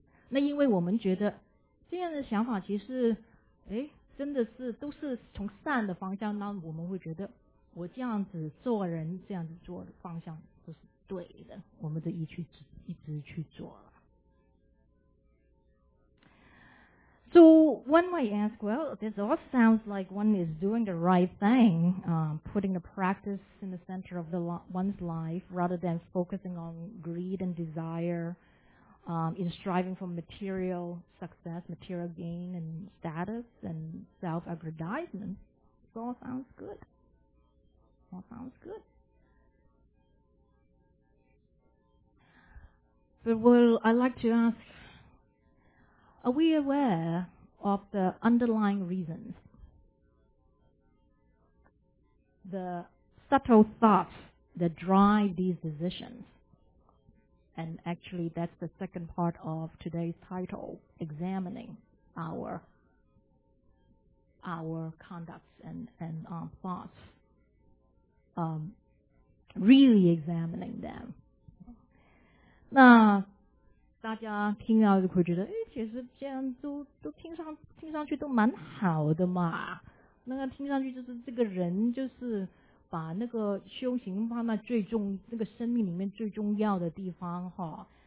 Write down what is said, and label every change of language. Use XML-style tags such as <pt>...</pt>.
<zh>那因为我们觉得这样的想法其实，哎，真的是都是从善的方向，那我们会觉得我这样子做人，这样子做的方向都是对的，我们就一直去做了。</zh> <en>So one might ask, well, this all sounds like one is doing the right thing, putting the practice in the center of one's life rather than focusing on greed and desire, in striving for material success, material gain and status and self-aggrandizement. This all sounds good. All sounds good. But well, I'd like to ask, are we aware of the underlying reasons, the subtle thoughts that drive these decisions? And actually, that's the second part of today's title, examining our conducts and thoughts, really examining them.</en> <zh>那大家听到就会觉得，哎，其实这样都听上去都蛮好的嘛。那个听上去就是这个人就是把那个修行放在最重那个生命里面最重要的地方哈。</zh>